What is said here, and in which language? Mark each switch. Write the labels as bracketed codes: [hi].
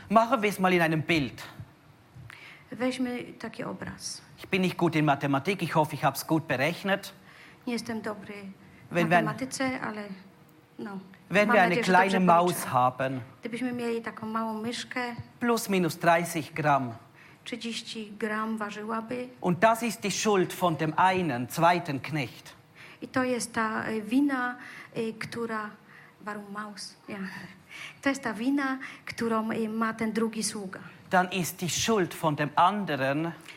[de] Machen wir es mal in einem Bild. [pl] Weźmy taki obraz. [de] Ich bin nicht gut in Mathematik, ich hoffe, ich habe es gut berechnet. [pl] Nie jestem dobry w matematyce, ale no. [de] Wenn wir eine kleine Maus haben, [pl] gdybyśmy mieli taką małą myszkę, [de] plus minus 30 Gramm, [pl] 30 Gramm ważyłaby. [de] Und das ist die Schuld von dem einen, zweiten Knecht. [pl] I to jest ta wina, która... [de] Warum Maus? Ja. [pl] To jest ta wina, którą ma ten drugi sługa. [de] Dann ist die Schuld von dem anderen.